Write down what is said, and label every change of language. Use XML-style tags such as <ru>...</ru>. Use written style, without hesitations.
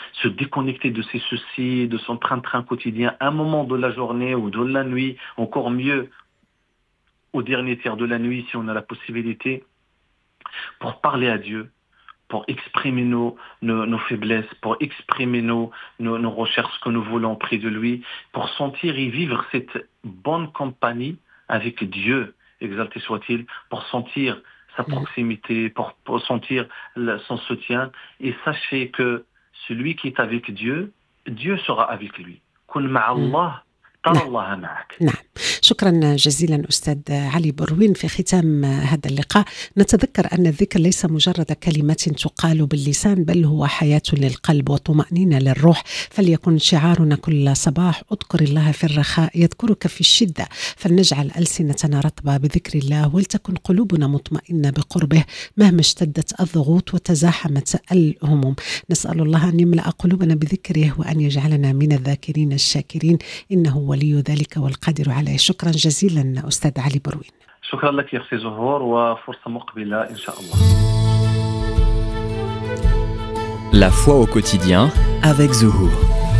<fr>Se déconnecter de ses soucis, de son train-train quotidien, un moment de la journée ou de la nuit, encore mieux, au dernier tiers de la nuit, si on a la possibilité, pour parler à Dieu, pour exprimer nos faiblesses, pour exprimer nos recherches que nous voulons près de lui, pour sentir et vivre cette bonne compagnie avec Dieu, exalté soit-il, pour sentir sa proximité, pour sentir son soutien. Et sachez que celui qui est avec Dieu, Dieu sera avec lui.</fr> <ar>كن مع الله نعم. شكرا جزيلا أستاذ علي بروين. في ختام هذا اللقاء نتذكر أن الذكر ليس مجرد كلمات تقال باللسان، بل هو حياة للقلب وطمأنينة للروح. فليكن شعارنا كل صباح أذكر الله في الرخاء يذكرك في الشدة، فلنجعل ألسنتنا رطبة بذكر الله، ولتكن قلوبنا مطمئنة بقربه مهما اشتدت الضغوط وتزاحمت الهموم. نسأل الله أن يملأ قلوبنا بذكره وأن يجعلنا من الذاكرين الشاكرين، إن هو ولي ذلك والقادر عليه. شكرا جزيلا أستاذ علي بروين. شكرا لك يا أختي زهور، وفرصة مقبلة إن شاء الله.</ar> <fr>La foi au quotidien avec Zuhour.</fr>